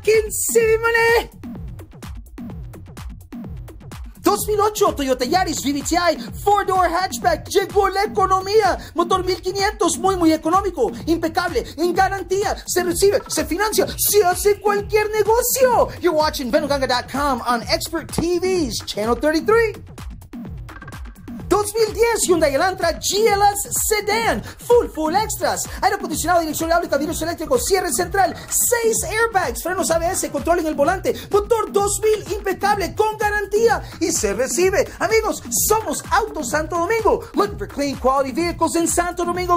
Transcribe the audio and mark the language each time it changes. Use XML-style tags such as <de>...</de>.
<en>¡Can save money!</en> <es>2008 Toyota Yaris VVT-i, 4-door hatchback, llegó la economía. Motor 1500, muy muy económico, impecable, en garantía. Se recibe, se financia, se hace cualquier negocio.</es> <en>You're watching Venuganga.com on Expert TV's Channel 33.</en> <es>2010 Hyundai Elantra GLS Sedan, full extras, aire acondicionado, dirección hidráulica, vidrios eléctricos, cierre central, 6 airbags, frenos ABS, control en el volante, motor 2000, impecable, con garantía, y se recibe. Amigos, somos Autos Santo Domingo.</es> <en>Looking for clean quality vehicles in Santo Domingo?</en>